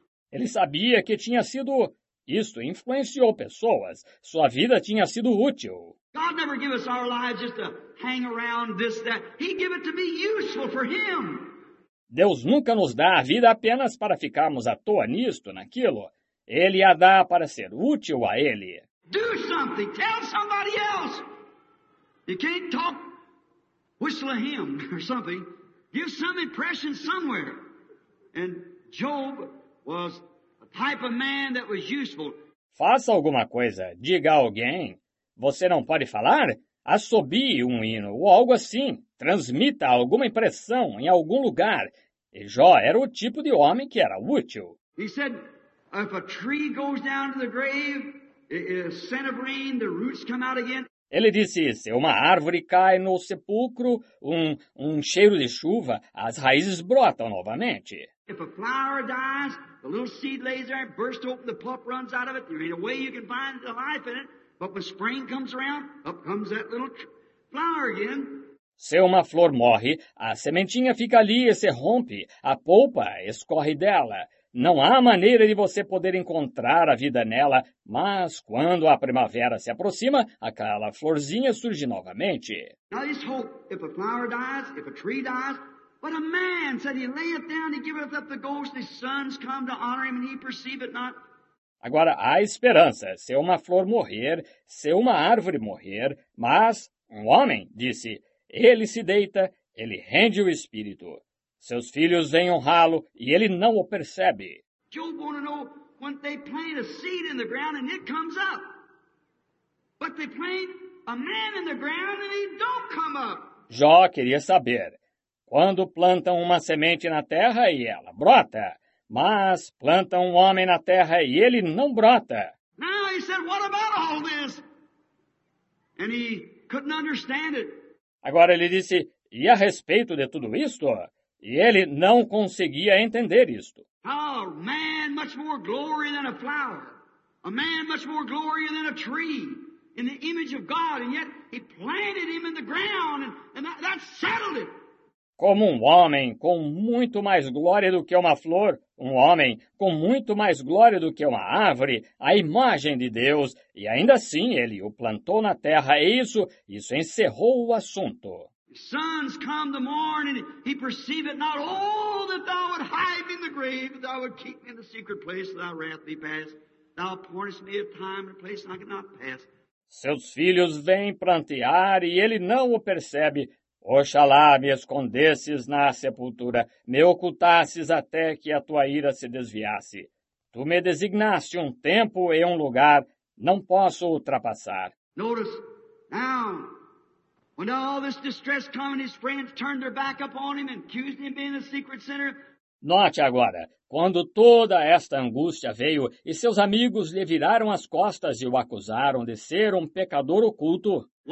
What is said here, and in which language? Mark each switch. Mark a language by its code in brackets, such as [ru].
[pt] Ele sabia que tinha sido, isso influenciou pessoas, sua vida tinha sido útil. [en] God never gave us our lives just to hang around this, that. He gave it to be useful for him. [pt] Deus nunca nos dá a vida apenas para ficarmos à toa nisto, naquilo. Ele a dá para ser útil a ele. [en] Do something. Tell somebody else. You can't talk, whistle a hymn or something. Give some impression somewhere. And Job was a type of man that was useful. [pt] Faça alguma coisa. Diga a alguém. Você não pode falar? Assobie um hino ou algo assim. Transmita alguma impressão em algum lugar. E Jó era o tipo de homem que era útil. [en] He said, if a tree goes down to the grave, a scent of rain, the roots come out again. [pt] Ele disse, se uma árvore cai no sepulcro, um cheiro de chuva, as raízes brotam novamente. [en] If a flower dies, the little seed lays there, bursts open, the pulp runs out of it, there ain't a way you can find the life in it. But when spring comes around, up comes that little flower again. [pt] Se uma flor morre, a sementinha fica ali e se rompe, a polpa escorre dela. Não há maneira de você poder encontrar a vida nela, mas quando a primavera se aproxima, aquela florzinha surge novamente. [en] Now this hope, if a flower dies, if a tree dies, but a man said he layeth down, he giveth up the ghost, his sons come to honor him, and he perceive it not. [pt] Agora, há esperança, se uma flor morrer, se uma árvore morrer, mas um homem, disse, ele se deita, ele rende o espírito. Seus filhos vêm honrá-lo e ele não o percebe. [en] Job wanna know when they plant a seed in the ground and it comes up. But they plant a man in the ground and he don't come up. [pt] Jó queria saber, quando plantam uma semente na terra e ela brota, mas plantam um homem na terra e ele não brota. [en] Now he said, what about all this? And he couldn't understand it. [pt] Agora ele disse, e a respeito de tudo isto? E ele não conseguia entender isto. [en] Oh, man much more glory than a flower. A man much more glory than a tree. In the image of God. And yet he planted him in the ground. And that settled it. [pt] Como um homem com muito mais glória do que uma flor, um homem com muito mais glória do que uma árvore, a imagem de Deus, e ainda assim ele o plantou na terra, e isso encerrou o assunto. [en] Sons come the morning, he perceive it not, oh, that thou would hide me in the grave, that thou would keep me in the secret place, that thy wrath be past. Thou appointest me a time and a place, and I cannot pass. [pt] Seus filhos vêm plantear, e ele não o percebe. Oxalá me escondesses na sepultura, me ocultasses até que a tua ira se desviasse. Tu me designaste um tempo e um lugar, não posso ultrapassar. [en] Notice, now, when all this distress come and his friends turned their back upon him and accused him of being a secret sinner. [pt] Note agora, quando toda esta angústia veio e seus amigos lhe viraram as costas e o acusaram de ser um pecador oculto.